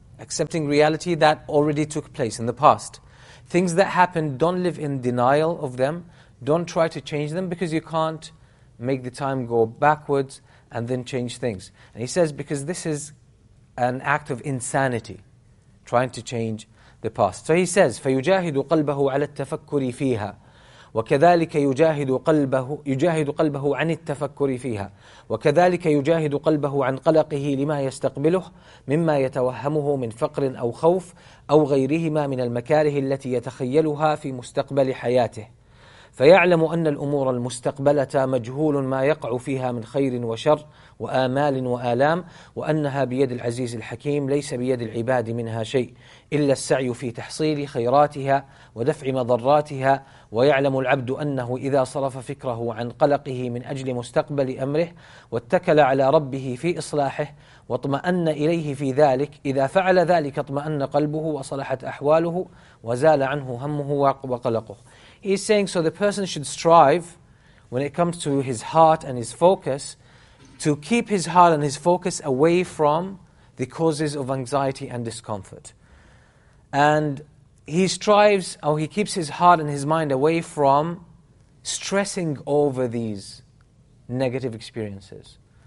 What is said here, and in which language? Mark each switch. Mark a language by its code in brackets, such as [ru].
[en] Accepting reality that already took place in the past. Things that happened, don't live in denial of them. Don't try to change them because you can't make the time go backwards and then change things. And he says, because this is an act of insanity, trying to change the past. [ar] So he says, فَيُجَاهِدُ قَلْبَهُ عَلَى التَّفَكُّرِ فِيهَا وَكَذَلِكَ يُجَاهِدُ قَلْبَهُ عَنِ التَّفَكُّرِ فِيهَا وَكَذَلِكَ يُجَاهِدُ قَلْبَهُ عَنْ قَلَقِهِ لِمَا يَسْتَقْبِلُهُ مِمَّا يَتَوَهَّمُهُ مِنْ فَقْرٍ أَوْ خَوْفٍ أَوْ غَيْرِهِمَا مِنَ الْمَكَارِهِ الَّتِي يَتَخَيَّلُهَا فِي مُسْتَقْبَلِ حَيَاتِهِ فيعلم أن الأمور المستقبلة مجهول ما يقع فيها من خير وشر وآمال وآلام وأنها بيد العزيز الحكيم ليس بيد العباد منها شيء إلا السعي في تحصيل خيراتها ودفع مضراتها ويعلم العبد أنه إذا صرف فكره عن قلقه من أجل مستقبل أمره واتكل على ربه في إصلاحه واطمأن إليه في ذلك إذا فعل ذلك اطمأن قلبه وصلحت أحواله وزال عنه همه وقلقه. [en] He's saying, so the person should strive when it comes to his heart and his focus to keep his heart and his focus away from the causes of anxiety and discomfort. And he strives, or he keeps his heart and his mind away from stressing over these negative experiences.